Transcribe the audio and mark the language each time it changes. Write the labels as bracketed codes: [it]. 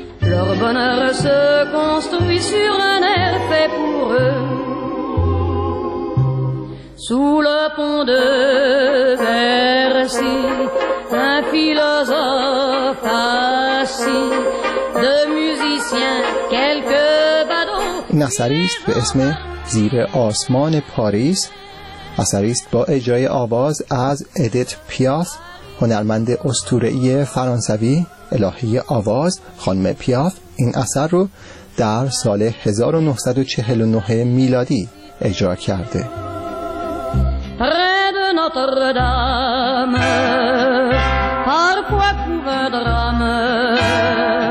[fr] Leur bonheur se construit sur un air fait pour eux. Sous le pont de Bercy, un philosophe assis, deux musiciens, quelques badauds. [fa] نثریست به اسم زیر آسمان پاریس، نثریست با اجرای آواز از ادیت پیاف، هنرمند اسطوره‌ای فرانسوی، الهه آواز خانم پیاف، این اثر رو در سال 1949 میلادی اجرا کرده. [fr] Près de Notre-Dame, parfois couvre un drame.